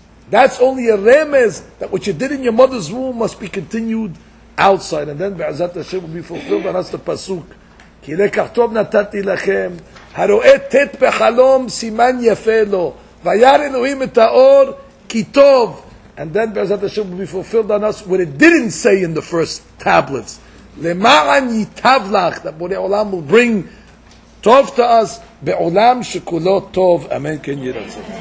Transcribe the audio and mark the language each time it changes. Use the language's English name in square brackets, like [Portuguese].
[English] That's only a remez, that what you did in your mother's womb must be continued outside. And then [Hebrew] Be'azat Hashem [English] will be fulfilled, and that's the pasuk. [Hebrew] כי לקח טוב נתתי לכם, הרואה תת בחלום סימן יפה לו, וירא אלוהים את האור כי טוב. [English] And then [Hebrew] בעזרת השם [English] will be fulfilled on us what it didn't say in the first tablets. [Hebrew] למען ייטב לך, [English] that [Hebrew] בורא עולם [English] will bring [Hebrew] טוב [English] to us, [Hebrew] בעולם שכולו טוב, אמן כן ירצה.